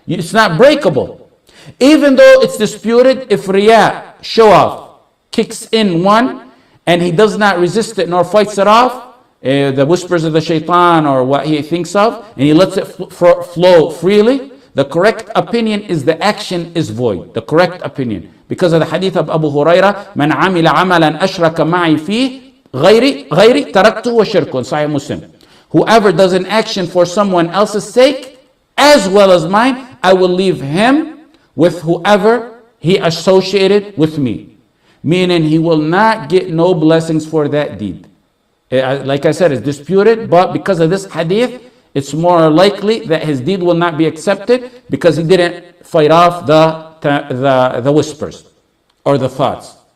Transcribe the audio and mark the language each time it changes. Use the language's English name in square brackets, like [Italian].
[English] It's not breakable. Even though it's disputed, if Riyah, show off, kicks in one, and he does not resist it nor fights it off, the whispers of the shaitan or what he thinks of, and he lets it flow freely, the correct opinion is the action is void. The correct opinion. [Arabic] Because of the hadith of Abu Huraira, من عمل عملا أشرك معي فيه غيري تركته وشركه. [English] In Sahih Muslim. Whoever does an action for someone else's sake, as well as mine, I will leave him with whoever he associated with me. Meaning he will not get no blessings for that deed. Like I said, it's disputed, but because of this hadith, it's more likely that his deed will not be accepted because he didn't fight off the whispers or the thoughts.